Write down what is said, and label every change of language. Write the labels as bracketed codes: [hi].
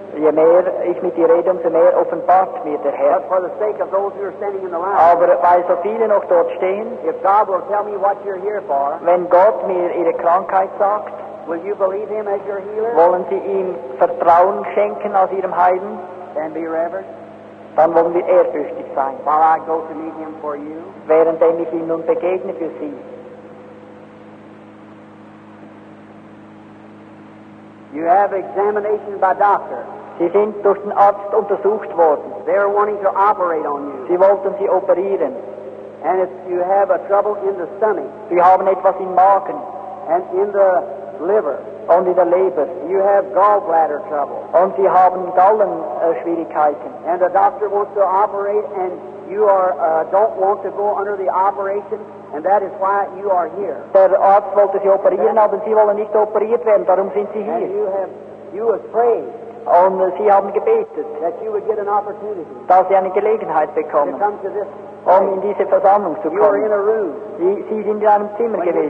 [de] Je mehr ich mit ihr rede, umso mehr offenbart mir der Herr. [en] But for the sake of those who are standing in the line, [de] aber weil so viele noch dort stehen, [en] if God will tell me what you're here for, [de] wenn Gott mir ihre Krankheit sagt, [en] will you believe him as your healer? [de] Wollen Sie ihm Vertrauen schenken als ihrem Heilen? [en] And be reverent. [de] Dann wollen wir ehrfürchtig sein. [en] While I go to meet him for you, [de] während ich ihm nun begegne für Sie. [en] You have examination by doctor. [de] Sie sind durch den Arzt untersucht worden. [en] They are wanting to operate on you. [de] Sie wollten Sie operieren. [en] And if you have a trouble in the stomach, [de] Sie haben etwas im Magen. [en] And in the liver, [de] und in der Leber. [en] You have gallbladder trouble. [de] Und Sie haben Gallenschwierigkeiten. [en] And the doctor wants to operate, and you are don't want to go under the operation. And that is why you are here. [de] Der Arzt wollte Sie operieren, aber Sie wollen nicht operiert werden. Darum sind Sie hier. [en] And you have prayed. [de] Und Sie haben gebetet, [en] that you would get an opportunity, [de] dass Sie eine Gelegenheit bekommen, [en] to come to this, [de] um in diese Versammlung zu kommen. [en] You are in a room, [de] Sie sind in einem Zimmer gewesen,